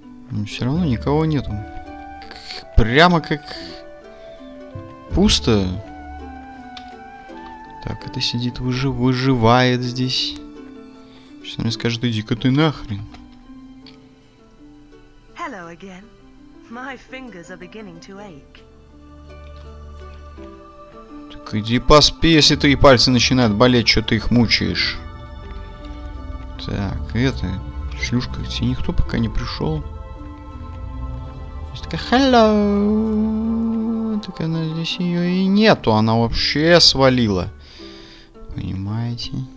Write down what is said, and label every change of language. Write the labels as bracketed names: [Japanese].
[Russian] Но все равно никого нету. Прямо как... Пусто. Так, это сидит, выживает здесь. Что мне скажет, иди-ка ты нахрен. [English] Hello again. My fingers are beginning to ache. [Russian] Так иди поспи, если твои пальцы начинают болеть, что ты их мучаешь. Так, это, шлюшка, тебе никто пока не пришел. Она такая, hello. Так она здесь ее и нету, она вообще свалила. Понимаете?